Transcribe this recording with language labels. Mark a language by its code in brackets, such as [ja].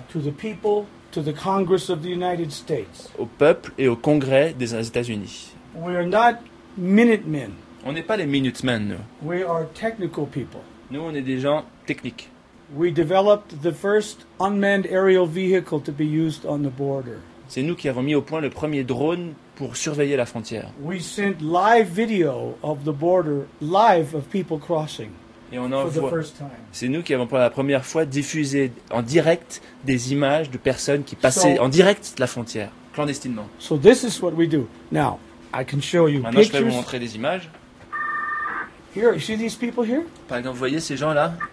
[en] To the people, to the Congress of the United States. [fr] Au peuple et au Congrès des États-Unis. [en] We are not Minutemen. [fr] On n'est pas les Minutemen, nous. [en] We are technical people. [fr] Nous, on est des gens techniques. [en] We developed the first unmanned aerial vehicle to be used on the border. [fr] C'est nous qui avons mis au point le premier drone pour surveiller la frontière. [en] We sent live video of the border, live of people crossing. [fr] Et on envoie. [en] For the first time. [fr] C'est nous qui avons pour la première fois diffusé en direct des images de personnes qui passaient en direct la frontière, clandestinement. [en] So this is what we do. Now, I can show you [fr] pictures. Maintenant, je vais vous montrer des images. [en] Here, you see these people here? [fr] Par exemple, vous voyez ces gens-là?